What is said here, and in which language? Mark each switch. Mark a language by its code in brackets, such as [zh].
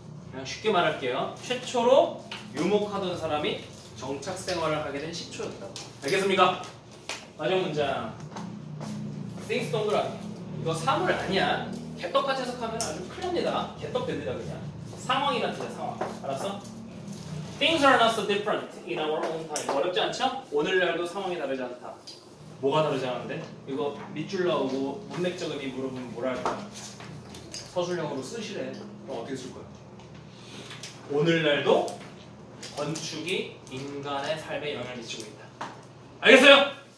[ko] 그냥 쉽게 말할게요. 최초로 유목하던 사람이 정착 생활을 하게 된 시초였다고. 알겠습니까? 마지막 문장. [en] Things don't grow. [ko] 이거 사물 아니야. 개떡같이 해석하면 아주 큰일 납니다. 개떡 됩니다 그냥. 상황이란 뜻이야 상황. 알았어? [en] Things are not so different in our own time. [ko] 어렵지 않죠? 오늘날도 상황이 다르지 않다. 뭐가 다르지 않은데? 이거 밑줄 나오고 문맥적 의미 물어보면 뭐랄까? 서술형으로 쓰시래. 그럼 어떻게 쓸 거야? 오늘날도 건축이 인간의 삶에 영향을 미치고 있다. 알겠어요?